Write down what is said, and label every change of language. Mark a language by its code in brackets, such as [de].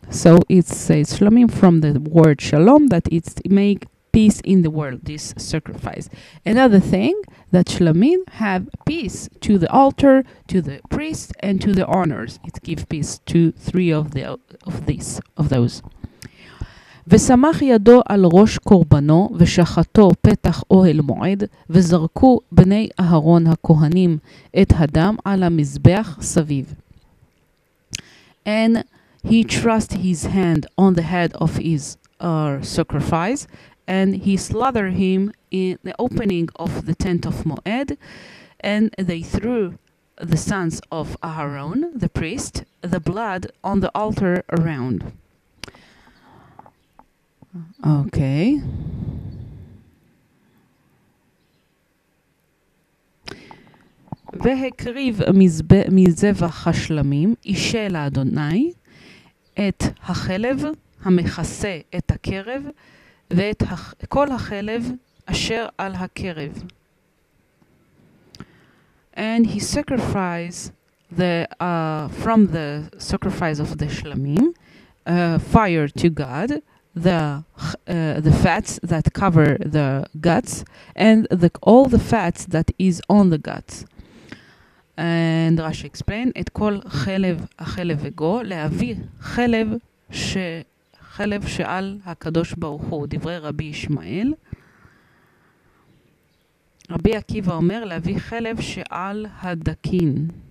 [en] So it's shlamim from the word shalom, that it's make peace in the world, this sacrifice. Another thing, that shlamim have peace to the altar, to the priest, and to the honors. It gives peace to three of those. [he] וסמך ידו על ראש קורבנו ושחתו פתח אוהל מועד וזרקו בני אהרון הכהנים את הדם על המזבח סביב. [en] And he trust his hand on the head of his sacrifice, and he slaughtered him in the opening of the tent of Moed, and they threw the sons of Aharon, the priest, the blood on the altar around. Okay. [he] והקריב מזבח השלמים אישה לאדוני את החלב המכסה את הקרב ואת כל החלב אשר על הקרב. [en] And he sacrificed from the sacrifice of the shlamim, fire to God, the fats that cover the guts, and all the fats that is on the guts. And Rashi explained, [he] את כל חלב החלב וגו, להביא חלב חלב שעל הקדוש ברוך הוא, דברי רבי ישמעאל. רבי עקיבא אומר, להביא חלב שעל הדקין.